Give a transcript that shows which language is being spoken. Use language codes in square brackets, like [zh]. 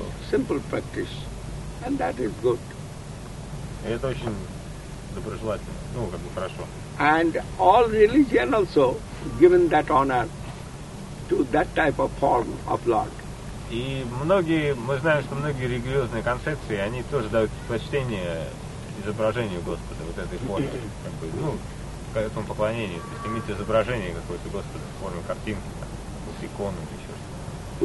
[en] Simple practice, and that is good. [ru] И это очень доброжелательно, ну как бы хорошо. [en] And all religion also given that honor to that type of form of Lord. [ru] И многие, мы знаем, что многие религиозные концепции, они тоже дают предпочтение изображению Господа, вот этой форме, как бы, ну, к этому поклонению. То есть иметь изображение какого-то Господа в форме картинки, там, вот иконы или еще что-то.